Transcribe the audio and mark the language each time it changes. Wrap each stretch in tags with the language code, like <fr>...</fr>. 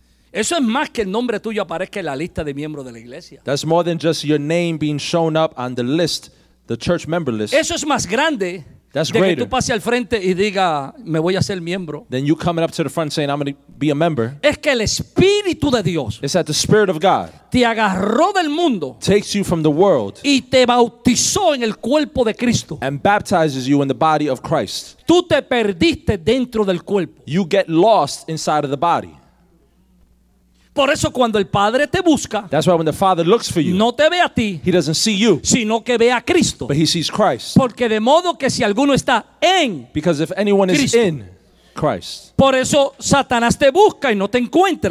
<es>Eso es más que el nombre tuyo aparezca en la lista de miembros de la iglesia.</es> <en>That's more than just your name being shown up on the list, the church member list.</en> <es>Eso es más grande.</es> <en>That's greater.</en> <es>De que tú pases al frente y diga, me voy a hacer miembro.</es> <en>Then you coming up to the front saying, I'm going to be a member.</en> <es>Es que el Espíritu de Dios.</es> <en>It's that the Spirit of God.</en> <es>Te agarró del mundo.</es> <en>Takes you from the world.</en> <es>Y te bautizó en el cuerpo de Cristo.</es> <en>And baptizes you in the body of Christ.</en> <es>Tú te perdiste dentro del cuerpo.</es> <en>You get lost inside of the body.</en> <es>Por eso cuando el Padre te busca,</es> <en>that's why when the Father looks for you,</en> <es>no te ve a ti,</es> <en>he doesn't see you,</en> <es>sino que ve a Cristo.</es> <en>But he sees Christ.</en> <es>Porque de modo que si alguno está en</es> <en>Cristo, because if anyone is in Christ,</en> <es>por eso Satanás te busca y no te encuentra.</es>